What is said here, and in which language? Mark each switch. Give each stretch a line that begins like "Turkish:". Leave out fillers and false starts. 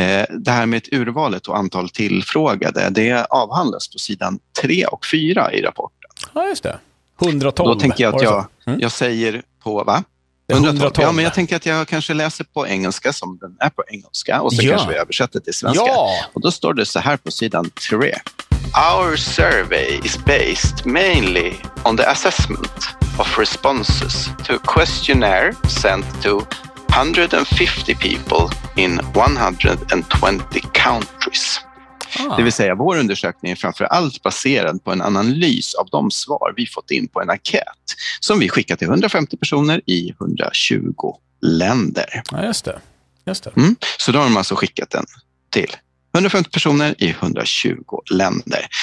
Swedish: Det här med ett urvalet och antal tillfrågade, det avhandlas på sidan 3 och 4 i rapporten. Ja, just det. 112. Då tänker jag att jag säger på, va? 112. Ja, men jag tänker att jag kanske läser på engelska som den är på engelska. Och så kanske vi översätter till svenska. Ja. Och då står det så här på sidan 3.
English: Our survey is based mainly on the assessment of responses to a questionnaire sent to 150 people in 120 countries. Ah.
Swedish: Det vill säga, vår undersökning är framförallt baserad på en analys av de svar vi fått in på en enkät som vi skickat till 150 personer i 120 länder. Ja, just det. Mm. Så då har de alltså skickat den till 150 personer i 120 länder.